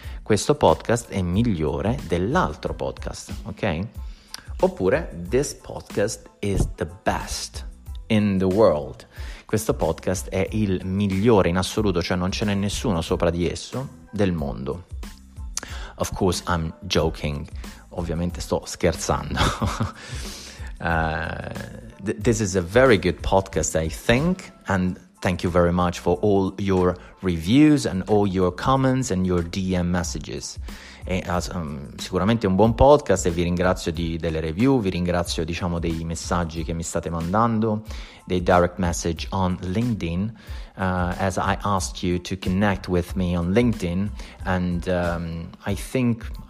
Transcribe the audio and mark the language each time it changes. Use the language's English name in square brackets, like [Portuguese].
[Italian] Questo podcast è migliore dell'altro podcast, ok? [English] Oppure, this podcast is the best in the world. [Italian] Questo podcast è il migliore in assoluto, cioè non ce n'è nessuno sopra di esso del mondo. [English] Of course I'm joking, [Italian] ovviamente sto scherzando. [English] This is a very good podcast, I think, and thank you very much for all your reviews and all your comments and your DM messages. [Italian] E, sicuramente un buon podcast e vi ringrazio delle review, vi ringrazio, diciamo, dei messaggi che mi state mandando, dei [English] direct message on LinkedIn, as I asked you to connect with me on LinkedIn, and I think